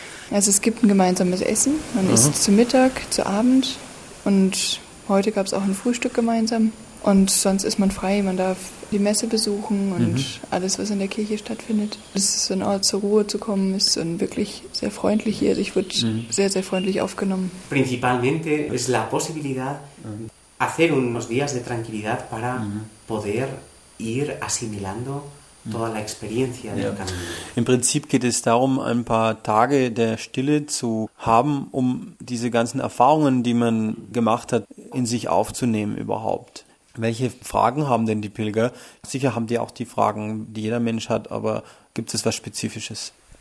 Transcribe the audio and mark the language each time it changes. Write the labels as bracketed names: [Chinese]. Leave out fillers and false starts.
[German] Also es gibt ein gemeinsames Essen. Man isst zu Mittag, zu Abend. Und heute gab es auch ein Frühstück gemeinsam. Und sonst ist man frei, man darf die Messe besuchen und alles, was in der Kirche stattfindet. Es ist so ein Ort, zur Ruhe zu kommen, ist so ein wirklich sehr freundlich hier. Ich wurde sehr, sehr freundlich aufgenommen. [Spanish] Principalmente es la posibilidad hacer unos días de tranquilidad para poder ir asimilando toda la experiencia del camino. [German] Im Prinzip geht es darum, ein paar Tage der Stille zu haben, um diese ganzen Erfahrungen, die man gemacht hat, in sich aufzunehmen überhaupt. Welche Fragen haben denn die Pilger? Sicher haben die auch die Fragen, die jeder Mensch hat, aber gibt es was Spezifisches?